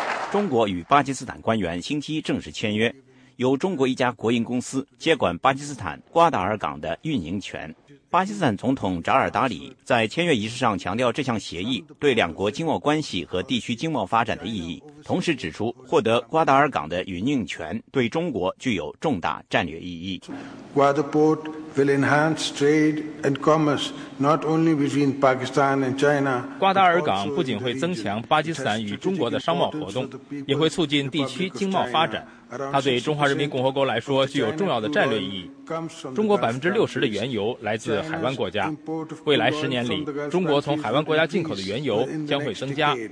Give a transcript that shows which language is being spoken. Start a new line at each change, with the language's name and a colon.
Chinese: 中国与巴基斯坦官员星期一正式签约，由中国一家国营公司接管巴基斯坦瓜达尔港的运营权。巴基斯坦总统扎尔达里在签约仪式上强调这项协议对两国经贸关系和地区经贸发展的意义，同时指出获得瓜达尔港的运营权对中国具有重大战略意义。
English: 瓜达port will enhance trade and commerce not only between Pakistan and China。
Chinese: 瓜达尔港不仅会增强巴基斯坦与中国的商贸活动，也会促进地区经贸发展。它对中华人民共和国来说具有重要的战略意义。中国60%的原油来自海湾国家，未来10年里，中国从海湾国家进口的原油将会增加。